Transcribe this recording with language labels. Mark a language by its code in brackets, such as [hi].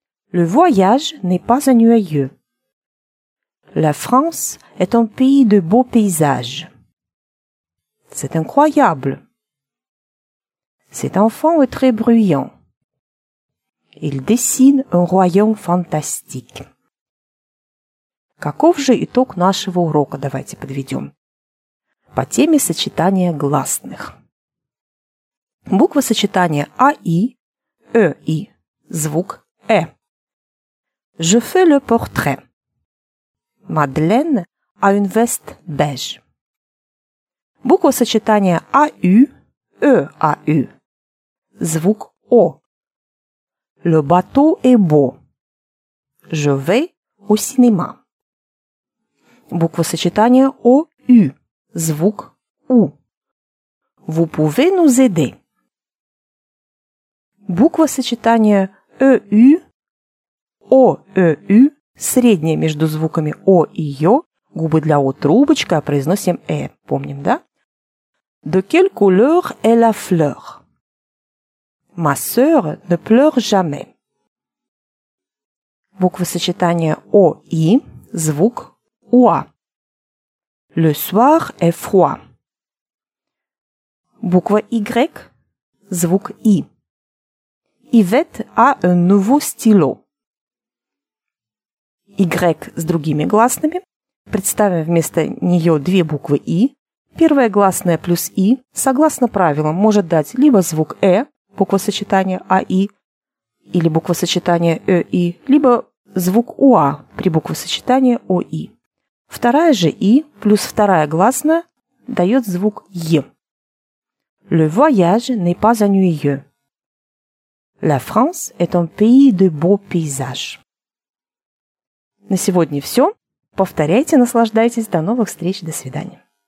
[fr] Le voyage n'est pas ennuyeux. La France est un pays de beaux paysages. C'est incroyable. Cet enfant est très bruyant. Il dessine un royaume fantastique. [ru] Каков же итог нашего урока? Давайте подведем. По теме сочетания гласных. Буква сочетания АИ, ЭИ, звук Э. [fr] Je fais le portrait. Madeleine a une veste beige. [ru] Буква сочетания АУ, ЭАУ, звук О. [fr] Le bateau est beau. Je vais au cinéma. [ru] Буква сочетания ОУ, звук У. [fr] Vous pouvez nous aider. [ru] Буква сочетания ЭУ, О, Э, Ю, среднее между звуками О и Ё, губы для О трубочка, а произносим Э, помним, да? [fr] De quelle couleur est la fleur? Ma sœur ne pleure jamais. [ru] Буква сочетания О, И, звук УА. [fr] Le soir est froid. [ru] Буква Y, звук И. [fr] Yvette a un nouveau stylo. [ru] Y с другими гласными. Представим вместо нее две буквы И. Первая гласная плюс И, согласно правилам, может дать либо звук Э, буквосочетание АИ, или буквосочетание ЭИ, либо звук УА при буквосочетании ОИ. Вторая же И плюс вторая гласная дает звук Е. [fr] Le voyage n'est pas ennuyeux. La France est un pays de beaux paysages. [ru] На сегодня все. Повторяйте, наслаждайтесь. До новых встреч. До свидания.